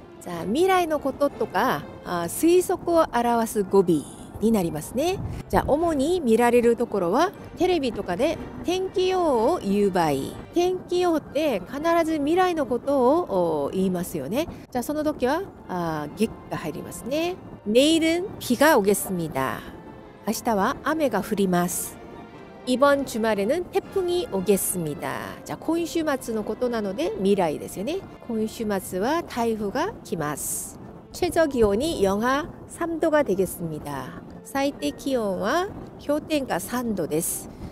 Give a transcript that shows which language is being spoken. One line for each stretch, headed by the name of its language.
Japanese: 자, 미래のこととか 推測を表す語尾になりますね。 자, 主に見られるところは テレビとかで天気予報を言う場合、天気予報って必ず未来のことを言いますよね。 자, その時は げっが入りますね。
Korean: 내일은 비가 오겠습니다.
Japanese: 明日は雨が降ります。
Korean: 이번 주말에는 태풍이 오겠습니다.
Japanese: 자, 今週末のことなので未来ですよね。今週末は台風が来ます。
Korean: 최저기온이 영하 3도가 되겠습니다.
Japanese: 最低気温は 氷点下 3도です。